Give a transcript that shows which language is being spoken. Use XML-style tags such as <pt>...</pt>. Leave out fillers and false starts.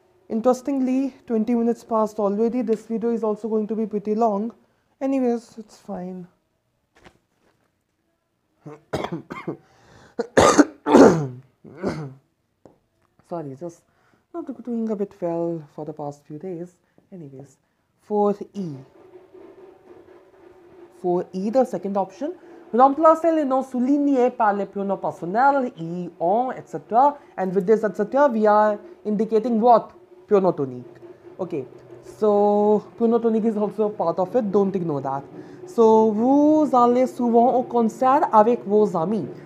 <en>Interestingly, 20 minutes passed already. This video is also going to be pretty long. Anyways, it's fine. Sorry, just not doing a bit well for the past few days. Anyways, 4E. For either second option,</en> <fr>remplacez les noms soulignés par les pronoms personnels,</fr> <en>I, on, etc. And with this, etc., we are indicating what? Pronotonic. Okay, so pronotonic is also part of it, don't ignore that.</en> <fr>So, vous allez souvent au concert avec vos amis.</fr>